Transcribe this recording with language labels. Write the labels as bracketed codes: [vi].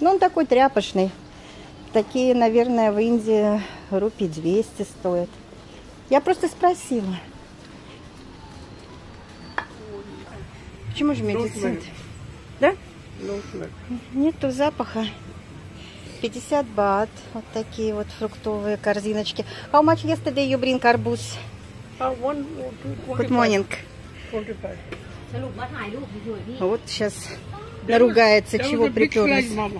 [ru] Ну, он такой тряпочный. Такие, наверное, в Индии рупий 200 стоят. Я просто спросила. Почему же медицин? Да? Нету запаха. 50 бат. Вот такие вот фруктовые корзиночки. [en] How much yesterday you bring arbuz? Good morning. [ru] Вот сейчас наругается, чего приперлись.